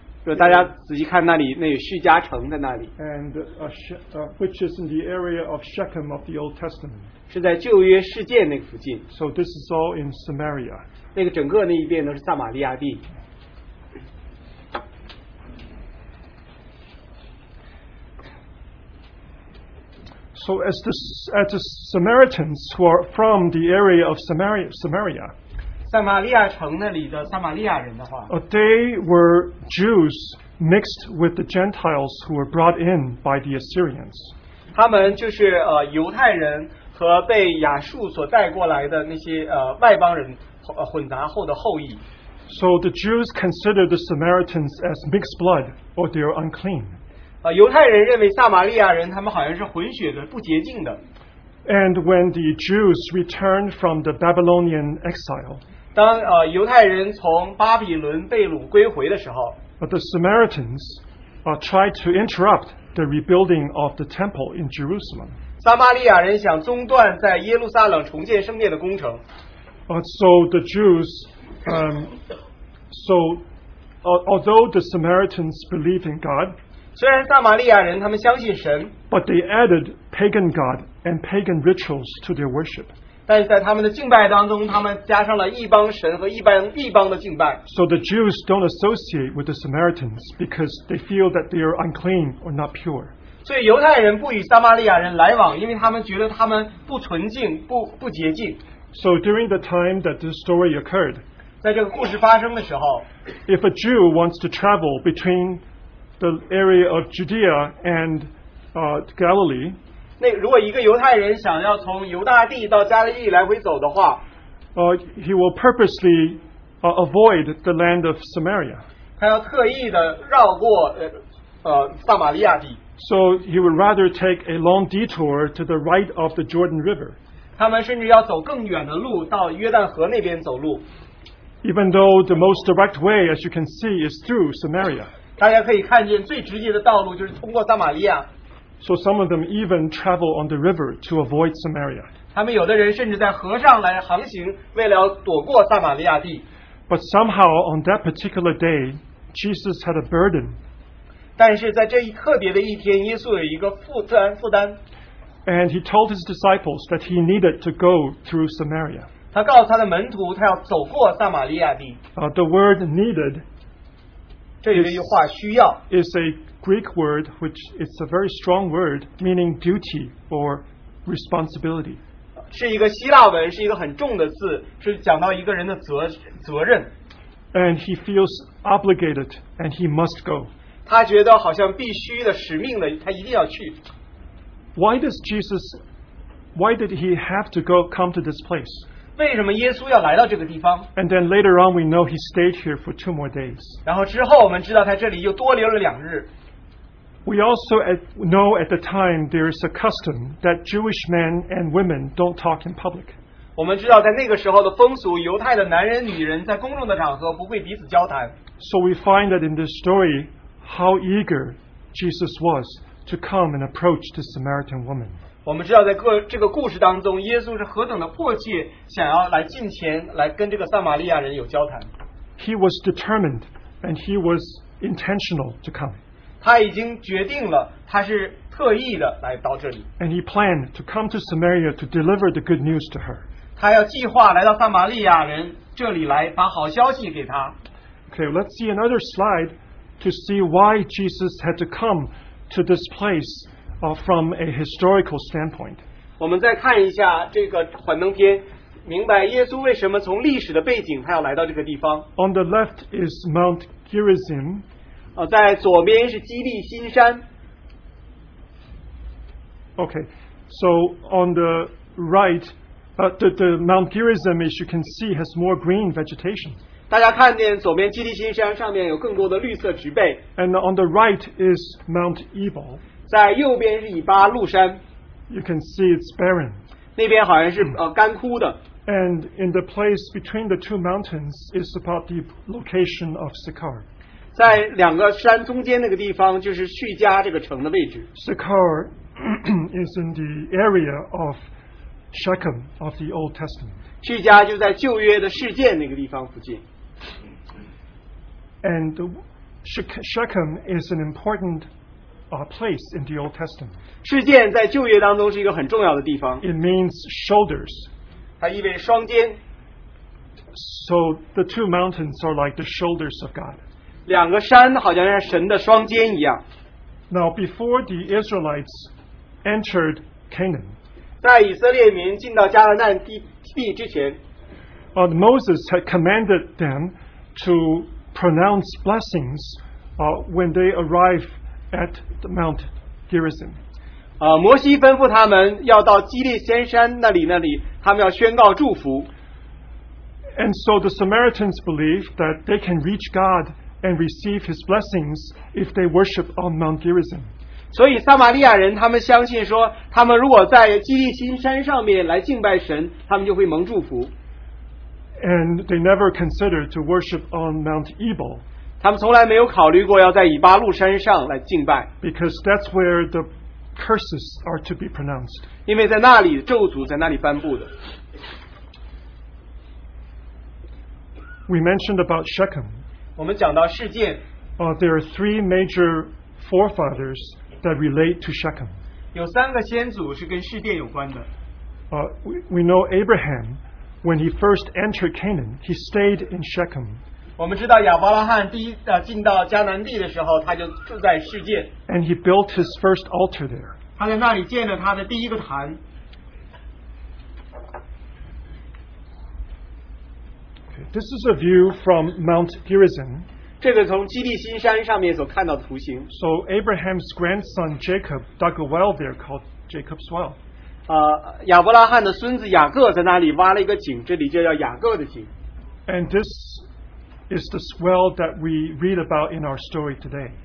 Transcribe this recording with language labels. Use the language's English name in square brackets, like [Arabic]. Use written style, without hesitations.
[Chinese] 如果大家仔细看那里，那有叙加城在那里。 [English] And which is in the area of Shechem of the Old Testament. [Chinese] 是在旧约世界那个附近。 [English] So this is all in Samaria. [Chinese] 那个整个那一边都是撒玛利亚地。 [English] So as the Samaritans who are from the area of Samaria, [Chinese] 撒玛利亚城那里的撒玛利亚人的话 [English] they were Jews mixed with the Gentiles who were brought in by the Assyrians. [Chinese] 他们就是犹太人和被亚述所带过来的那些外邦人混杂后的后裔。 [English] So the Jews considered the Samaritans as mixed blood, or they are unclean. [Chinese] 犹太人认为撒玛利亚人他们好像是混血的不洁净的 [English] And when the Jews returned from the Babylonian exile [Chinese] 当犹太人从巴比伦被掳归回的时候 [English] The Samaritans tried to interrupt the rebuilding of the temple in Jerusalem [Chinese] 撒玛利亚人想中断在耶路撒冷重建圣殿的工程 [English] So the Jews although the Samaritans believe in God [Chinese] 虽然撒玛利亚人他们相信神 [English] But they added pagan god and pagan rituals to their worship [Chinese] 但是在他们的敬拜当中他们加上了异邦神和异邦的敬拜 [English] So the Jews don't associate with the Samaritans because they feel that they are unclean or not pure [Chinese] 所以犹太人不与撒玛利亚人来往因为他们觉得他们不纯净 不洁净 [English] So during the time that this story occurred [Chinese] 在这个故事发生的时候 [English] If a Jew wants to travel betweenthe area of Judea and Galilee [Chinese] 那如果一个犹太人想要从犹大地到加利利来回走的话 [English] he will purposely avoid the land of Samaria [Chinese] 他要特意的绕过撒玛利亚地 [English] so he would rather take a long detour to the right of the Jordan River [Chinese] 他们甚至要走更远的路到约旦河那边走路 [English] even though the most direct way as you can see is through Samaria [Chinese] 大家可以看见最直接的道路就是通过撒玛利亚。 [English] So some of them even travel on the river to avoid Samaria. [Chinese] 他们有的人甚至在河上来航行，为了躲过撒玛利亚地。 [English] But somehow on that particular day, Jesus had a burden. [Chinese] 但是在这一特别的一天，耶稣有一个负担。 [English] And he told his disciples that he needed to go through Samaria. [Chinese] 他告诉他的门徒，他要走过撒玛利亚地。 [English] The word needed. [Chinese] 这一句话需要。 [English] Is a Greek word which is a very strong word meaning duty or responsibility. [Chinese] 是一个希腊文，是一个很重的字，是讲到一个人的责任。 [English] And he feels obligated, and he must go. [Chinese] 他觉得好像必须的使命的，他一定要去。 [English] Why did he have to go come to this place? [Chinese] 为什么耶稣要来到这个地方？ [English] And then later on, we know he stayed here for two more days. [Chinese] 然后之后我们知道他这里又多留了两日。 [English] We also know at the time there is a custom that Jewish men and women don't talk in public. [Chinese] 我们知道在那个时候的风俗，犹太的男人女人在公众的场合不会彼此交谈。 [English] So we find that in this story, how eager Jesus was to come and approach this Samaritan woman. [Chinese] 我们知道在这个故事当中，耶稣是何等的迫切想要来近前来跟这个撒玛利亚人有交谈。 [English] He was determined and he was intentional to come. [Chinese] 他已经决定了，他是特意的来到这里。 [English] And he planned to come to Samaria to deliver the good news to her. [Chinese] 他要计划来到撒玛利亚人这里来把好消息给他。 [English] Okay, let's see another slide to see why Jesus had to come to this place from a historical standpoint. [Chinese] 我们再看一下这个幻灯片，明白耶稣为什么从历史的背景他要来到这个地方。 [English] On the left is Mount Gerizim. [Chinese] 在左边是基利新山。 [English] Okay, so on the right, the Mount Gerizim, as you can see, has more green vegetation. [Chinese] 大家看见左边基利新山上面有更多的绿色植被。 [English] And on the right is Mount Ebal. [Chinese] 在右边是以巴路山。 [English] You can see it's barren. [Chinese] 那边好像是干枯的。 [English] And in the place between the two mountains is about the location of Sychar. [Chinese] 在两个山中间那个地方就是叙加这个城的位置。 [English] Sychar is in the area of Shechem of the Old Testament. [Chinese] 叙加就在旧约的示剑那个地方附近。 [English] And Shechem is an important place in the Old Testament. [Chinese] 示剑在旧约当中是一个很重要的地方。 [English] It means shoulders. [Chinese] 它意味双肩。 [English] So the two mountains are like the shoulders of God. [Chinese] 两个山好像是神的双肩一样。 [English] Now, before the Israelites entered Canaan, [Chinese] 在以色列民进到迦南南地之前 [English] Moses had commanded them to pronounce blessings when they arrived at the Mount Gerizim. [Chinese] 摩西吩咐他们要到基列仙山那里他们要宣告祝福。 [English] And so the Samaritans believed that they can reach God and receive his blessings if they worship on Mount Gerizim. [Chinese] 所以撒玛利亚人他们相信说他们如果在基利新山上面来敬拜神他们就会蒙祝福。 [English] And they never considered to worship on Mount Ebal. [Chinese] 他们从来没有考虑过要在以巴路山上来敬拜。 [English] Because that's where the curses are to be pronounced. [Chinese] 因为在那里咒诅在那里颁布的。 [English] We mentioned about Shechem. [Chinese] 我们讲到事件。 [English] There are three major forefathers that relate to Shechem. [Chinese] 有三个先祖是跟事件有关的。 [English] We know Abraham, when he first entered Canaan, he stayed in Shechem. [Chinese] 我们知道亚伯拉罕第一进到迦南地的时候，他就住在事件。 [English] And he built his first altar there. [Chinese] 他在那里建了他的第一个坛。 [English] This is a view from Mount Gerizim. [Chinese] 这个从基利新山上面所看到的图形。 [English] So Abraham's grandson Jacob dug a well there called Jacob's Well. [Chinese] 亚伯拉罕的孙子雅各在那里挖了一个井，这里就叫雅各的井。 [English] And this is the well that we read about in our story today.